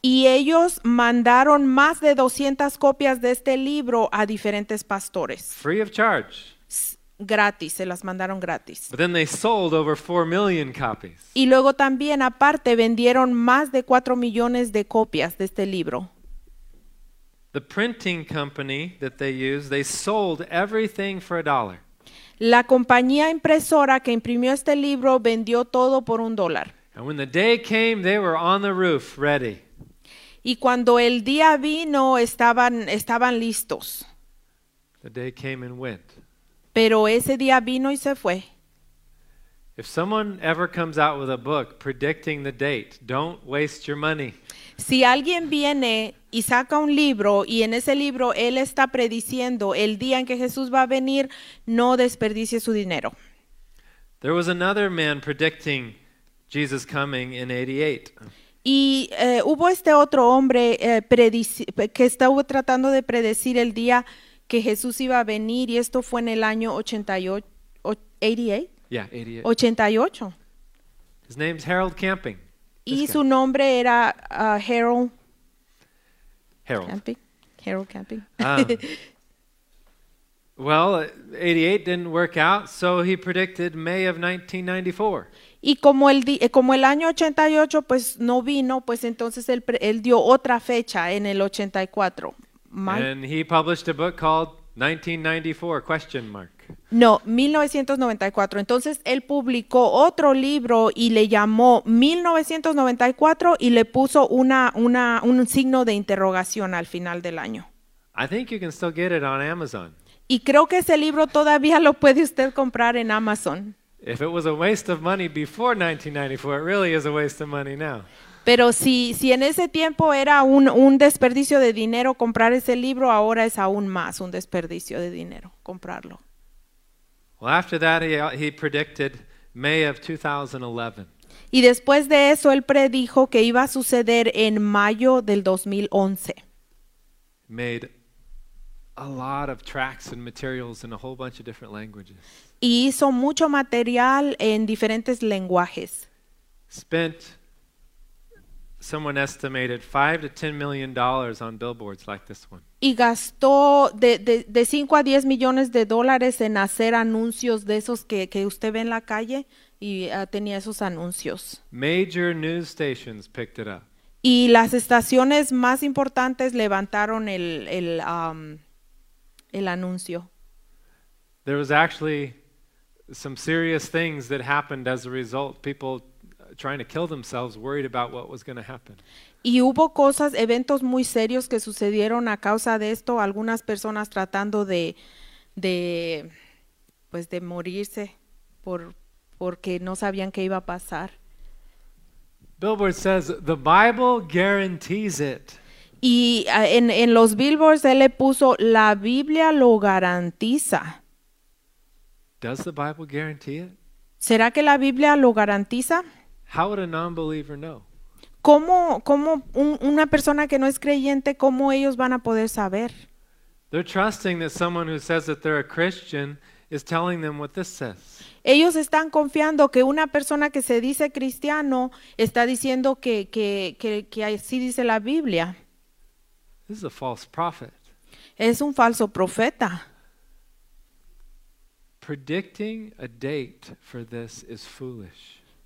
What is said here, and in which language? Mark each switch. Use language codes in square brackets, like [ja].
[es] Y ellos mandaron más de 200 copias de este libro a diferentes pastores. [en] Free of charge. [es] Gratis, se las mandaron gratis. [en] But then they sold over 4 million copies. [es] Y luego también, aparte, vendieron más de 4 millones de copias de este libro. [en] The printing company that they used, they sold everything for a dollar. [es] La compañía impresora que imprimió este libro vendió todo por un dólar. [en] And when the day came, they were on the roof, ready. [es] Y cuando el día vino, estaban listos. [en] The day came and went. [es] Pero ese día vino y se fue. [en] If someone ever comes out with a book predicting the date, don't waste your money. [es] Si alguien viene y saca un libro y en ese libro él está prediciendo el día en que Jesús va a venir, no desperdicie su dinero. [en] There was another man predicting Jesus coming in 88. [es] Y hubo este otro hombre que estaba tratando de predecir el día que Jesús iba a venir, y esto fue en el año 88. [en] His name's Harold Camping. [es] Y su nombre era Harold. [en] Harold Camping. Harold Camping. Well, 88 didn't work out, so he predicted May of 1994. [es] Y como el año 88 pues no vino, pues entonces él dio otra fecha en el 84. [en] And he published a book called 1994 ? No, 1994. [es] Entonces él publicó otro libro y le llamó 1994 y le puso un signo de interrogación al final del año. [en] I think you can still get it on Amazon. [es] Y creo que ese libro todavía lo puede usted comprar en Amazon. [en] If it was a waste of money before 1994, it really is a waste of money now. [es] Pero si en ese tiempo era un desperdicio de dinero comprar ese libro, ahora es aún más un desperdicio de dinero comprarlo. [en] Well, after that he predicted May of 2011. [es] Y después de eso él predijo que iba a suceder en mayo del 2011. [en] Made a lot of tracks and materials in a whole bunch of different languages. [es] Y hizo mucho material en diferentes lenguajes. [en] Spent Someone estimated $5 to $10 million on billboards like this one. [es] Y gastó de 5 a 10 millones de dólares en hacer anuncios de esos que usted ve en la calle y tenía esos anuncios. [en] Major news stations picked it up. [es] Y las estaciones más importantes levantaron el anuncio. [en] There was actually some serious things that happened as a result. People trying to kill themselves, worried about what was going to happen. [es] Y hubo cosas, eventos muy serios que sucedieron a causa de esto, algunas personas tratando de morirse porque no sabían qué iba a pasar. [en] Billboard says the Bible guarantees it. [es] Y en los billboards él le puso la Biblia lo garantiza. [en] Does the Bible guarantee it? [es] ¿Será que la Biblia lo garantiza? [en] How would a non-believer know? [es] ¿Cómo una persona que no es creyente, cómo ellos van a poder saber? [en] They're trusting that someone who says that they're a Christian is telling them what this says. [es] Ellos están confiando que una persona que se dice cristiano está diciendo que así dice la Biblia. [en] This is a false prophet. [es] Es un falso profeta. [en] Predicting a date for this is foolish.